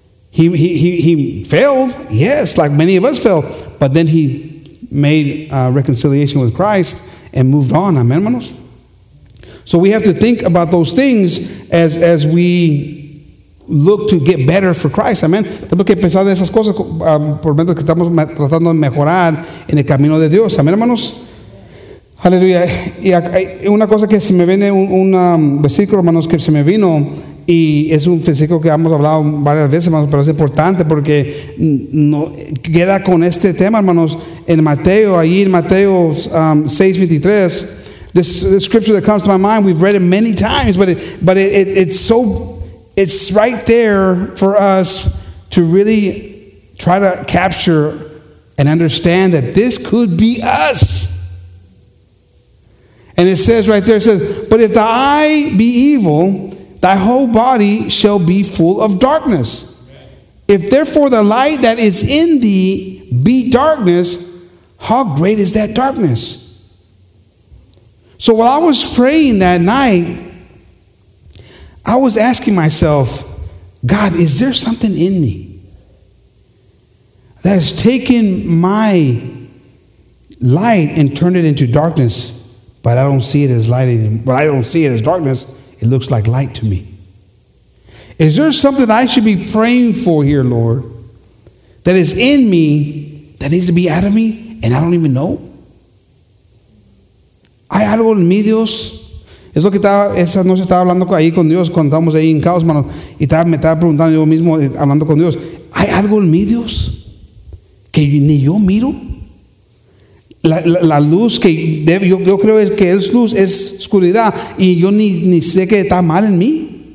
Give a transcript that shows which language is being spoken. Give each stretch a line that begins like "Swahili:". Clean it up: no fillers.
English: He failed, yes, like many of us fail, but then he made reconciliation with Christ and moved on. Amen,
Spanish: hermanos?
English: So we have to think about those things as we look to get better for Christ. Amen.
Spanish: Tenemos que pensar en esas cosas por medio que estamos tratando de mejorar en el camino de Dios. Amen, hermanos. Aleluya. Y una cosa que se me viene un versículo, hermanos, que se me vino, y es un versículo que hemos hablado varias veces, hermanos, pero es importante porque no queda con este tema, hermanos, en Mateo, ahí en Mateo 6:23.
English: This scripture that comes to my mind, we've read it many times, but it's right there for us to really try to capture and understand that this could be us. And it says right there, it says, but if the eye be evil, thy whole body shall be full of darkness. If therefore the light that is in thee be darkness, how great is that darkness? So while I was praying that night, I was asking myself, God, is there something in me that has taken my light and turned it into darkness? But I don't see it as light anymore. But I don't see it as darkness. It looks like light to me. Is there something I should be praying for here, Lord, that is in me, that needs to be out of me, and I don't even know?
Spanish: ¿Hay algo en mí, Dios? Es lo que estaba, esa noche estaba hablando ahí con Dios cuando estábamos ahí en caos, mano, y me estaba preguntando yo mismo, hablando con Dios, ¿hay algo en mí, Dios, que ni yo miro? La luz que debe, yo creo que es luz, es oscuridad, y yo ni sé que está mal en mí.